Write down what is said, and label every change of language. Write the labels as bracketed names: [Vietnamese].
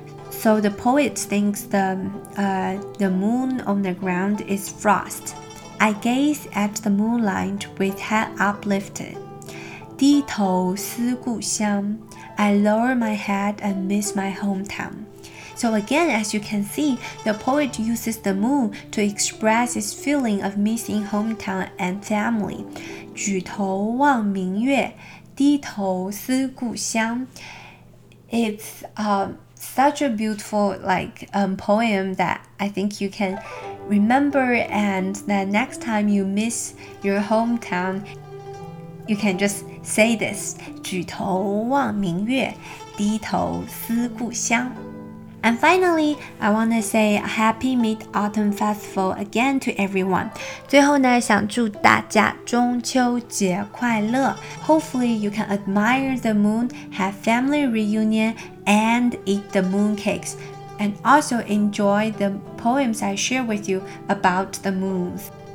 [English] So the poet thinks the moon on the ground is frost. I gaze at the moonlight with head uplifted. [Chinese] 低头思故乡 [English] I lower my head and miss my hometown. So again, as you can see, the poet uses the moon to express his feeling of missing hometown and family. [Chinese] 举头望明月低头思故乡 [English] It's such a beautiful poem that I think you can remember, and that next time you miss your hometown, you can just say this [Chinese] 举头望明月低头思故乡 [English] And finally, I want to say a happy Mid-Autumn Festival again to everyone [Chinese] 最后呢想祝大家中秋节快乐 [English] Hopefully you can admire the moon, have family reunion and eat the mooncakes and also enjoy the poems I share with you about the moons